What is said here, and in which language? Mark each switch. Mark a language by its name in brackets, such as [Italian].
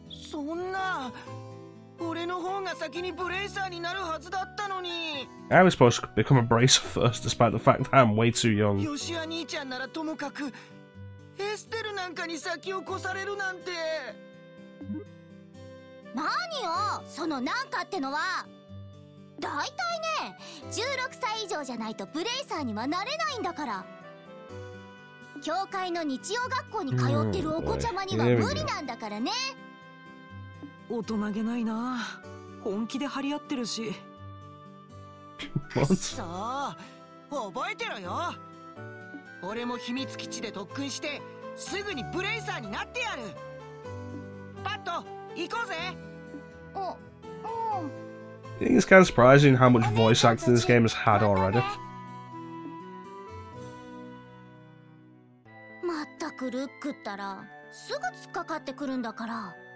[Japanese] そんな、俺の方が先にブレイサーになるはずだったのに。 [English] I was supposed to become a bracer first, despite the fact that I'm way too young. [Japanese] ヨシア兄ちゃんならともかく、エステルなんかに先を越されるなんて。何よそのなんかってのは。だいたいね、16歳以上じゃないとブレイサーにはなれないんだから。教会の日曜学校に通ってるお子ちゃまには無理なんだからね。大人げないな、本気で張り合ってるし。くっそー、覚えてろよ。俺も秘密基地で特訓してすぐにブレイサーになってやる。パッド、行こうぜ。お、うん。 [English] I think it's kind of surprising how much voice acting this game has had already. [Japanese] Mattaku, [English] look at that. [Japanese] Sugu, tsukakatte kuru nda kara.